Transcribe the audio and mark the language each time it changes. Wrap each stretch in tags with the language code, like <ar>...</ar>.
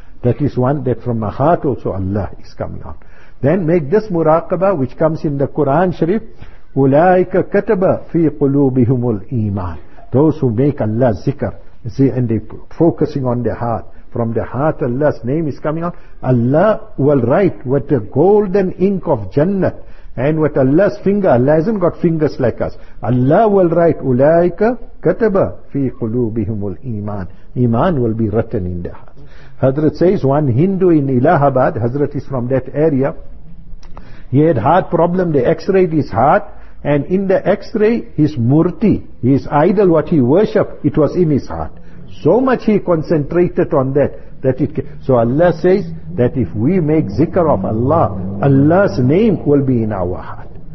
<en>That is one, that from my heart also Allah is coming out. Then make this muraqabah, which comes in the Quran Sharif,</en> <ar>أُولَٰئِكَ كَتَبَ فِي قُلُوبِهُمُ الْإِيمَانِ.</ar> <en>Those who make Allah zikr, and they focusing on their heart. From their heart Allah's name is coming out. Allah will write with the golden ink of Jannah. And with Allah's finger, Allah hasn't got fingers like us. Allah will write,</en> <ar>أُولَٰئِكَ كَتَبَ فِي قُلُوبِهُمُ الْإِيمَانِ.</ar> <en>Iman will be written in their heart. Hazrat says, one Hindu in Allahabad, Hazrat is from that area, he had heart problem, they x-rayed his heart, and in the x-ray, his murti, his idol, what he worshipped, it was in his heart. So much he concentrated on that, that it came. So Allah says that if we make zikr of Allah, Allah's name will be in our heart.</en>